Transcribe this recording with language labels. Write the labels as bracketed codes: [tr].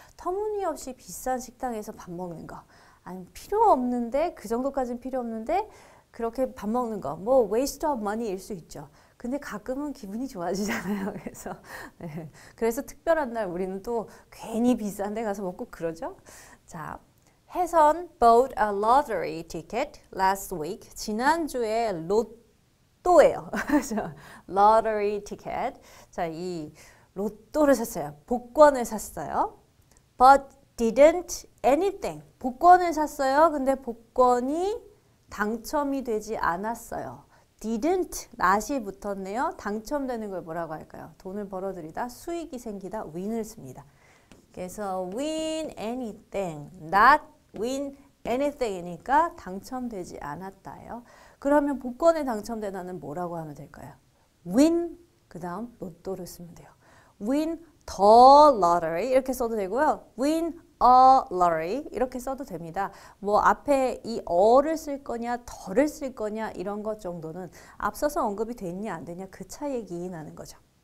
[ko] 터무니없이 비싼 식당에서 밥 먹는 거. 아니, 필요 없는데, 그 정도까지는 필요 없는데 그렇게 밥 먹는 거. 뭐 waste of money 일 수 있죠. 근데 가끔은 기분이 좋아지잖아요. 그래서 네. 그래서 특별한 날 우리는 또 괜히 비싼 데 가서 먹고 그러죠. [en] 자, 혜선 bought a lottery ticket last week. [ko] 지난주에 로또예요. lottery ticket. 자, 이 로또를 샀어요. 복권을 샀어요. [en] But didn't anything. 복권을 샀어요. [ko] 근데 복권이 당첨이 되지 않았어요. Didn't. 나시 붙었네요. 당첨되는 걸 뭐라고 할까요? 돈을 벌어들이다. 수익이 생기다. win을 씁니다. [en] 그래서 win anything. [ko] Not win anything 이니까 당첨되지 않았다요. 그러면 복권에 당첨되다는 뭐라고 하면 될까요? [en] win. [ko] 그 다음 로또를 쓰면 돼요. win the lottery 이렇게 써도 되고요. win a lottery 이렇게 써도 됩니다. 뭐 앞에 이 어를 쓸 거냐 더를 쓸 거냐 이런 것 정도는 앞서서 언급이 됐냐 안 됐냐 그 차이가 나는 거죠.